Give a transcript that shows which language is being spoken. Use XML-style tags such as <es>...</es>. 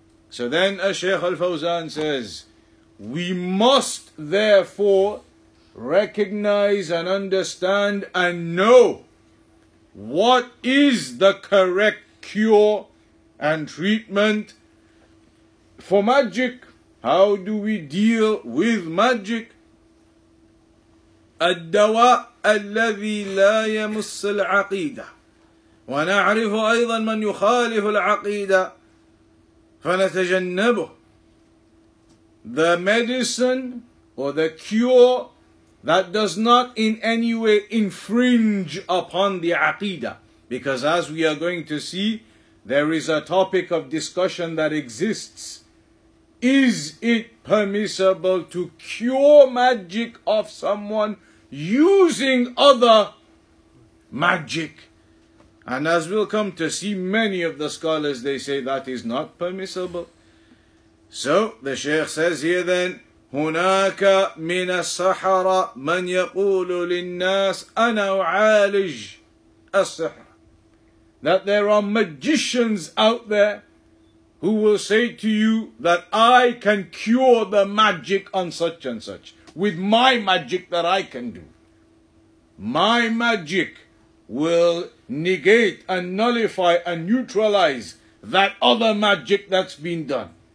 <en>So then, as Shaykh Al-Fawzan says, we must therefore recognize and understand and know what is the correct cure and treatment for magic. How do we deal with magic?</en> <ar>الدواء الذي لا يمس العقيدة. ونعرف أيضا من يخالف العقيدة فنتجنبه.</ar> <en>The medicine or the cure that does not in any way infringe upon the aqidah. Because as we are going to see, there is a topic of discussion that exists. Is it permissible to cure magic of someone using other magic? And as we'll come to see, many of the scholars, they say that is not permissible. So the Shaykh says here then,</en> <ar>هناك من السحرة من يقول للناس أنا أعالج السحر.</ar> <en>That there are magicians out there who will say to you that I can cure the magic on such and such with my magic that I can do. My magic will negate and nullify and neutralize that other magic that's been done.</en>